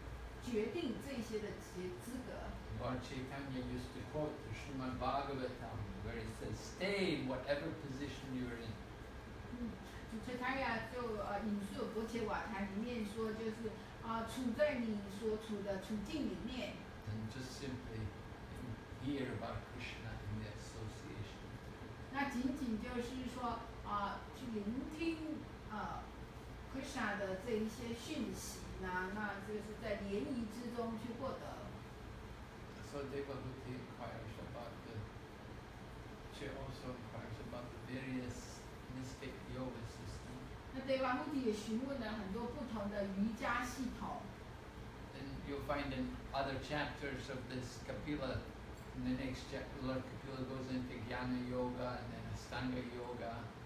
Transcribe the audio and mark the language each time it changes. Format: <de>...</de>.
<zh>所以物质的身体哈，或者是物质的这个状态呢，不是一个人的，所以会被决定这些的资格。</zh> <en>Lord Chaitanya used to quote the Srimad Bhagavatam where it says, stay in whatever position you are in.</en> <zh>就他呀就引述《佛伽瓦坛》里面说就是 处在你所处的处境里面</zh> <en>and just simply hear about Krishna in the association.</en> <zh>那仅仅就是说 去聆听 Krishna的这一些讯息 那就是在联谊之中去获得</zh> <en>So Devahuti inquires about the she also inquires about the various mystic yoga system.</en> <zh>那德瓦穆提也询问了很多不同的瑜伽系统。</zh> <en>And you'll find in other chapters of this Kapila, in the next chapter, Lord Kapila goes into Jnana Yoga and then Astanga Yoga.</en>